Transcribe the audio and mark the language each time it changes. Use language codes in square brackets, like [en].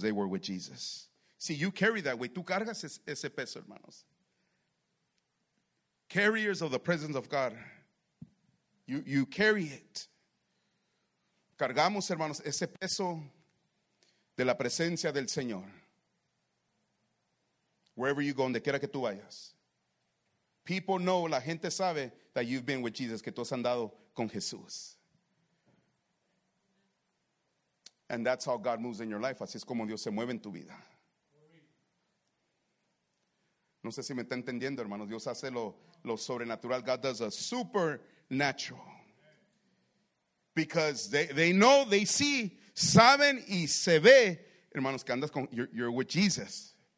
[en] They were with Jesus. See, you carry that weight. [es] Tú cargas ese peso, hermanos. [en] Carriers of the presence of God. You carry it. [es] Cargamos, hermanos, ese peso de la presencia del Señor. [en] Wherever you go, [es] donde quiera que tú vayas. [en] People know, [es] la gente sabe, [en] that you've been with Jesus, [es] que tú has andado con Jesús. [en] And that's how God moves in your life. [es] Así es como Dios se mueve en tu vida. No sé si me está entendiendo, hermanos. Dios hace lo sobrenatural. [en] God does a supernatural. Because they know, they see, [es] saben y se ve, hermanos, que andas con, [en] you're with Jesus.